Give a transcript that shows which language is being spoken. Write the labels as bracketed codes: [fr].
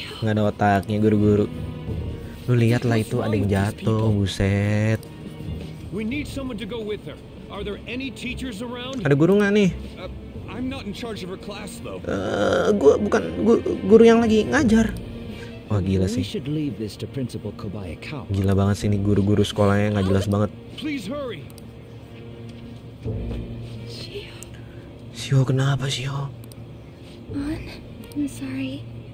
[id] Enggak ada otaknya guru-guru. Lu lihatlah itu ada yang jatuh, buset. [en] We need someone to go with her. Are there any teachers around? [id] Ada guru enggak nih? [en] I'm not in charge of her class though. [id] Gua bukan guru yang lagi ngajar. Wah gila sih. [en] We should leave this to Principal Kobayakawa. [id] Gila banget sih ini guru-guru sekolahnya enggak jelas banget. [en] Please hurry. [id] Shio, kenapa Shio? [en] On, I'm sorry.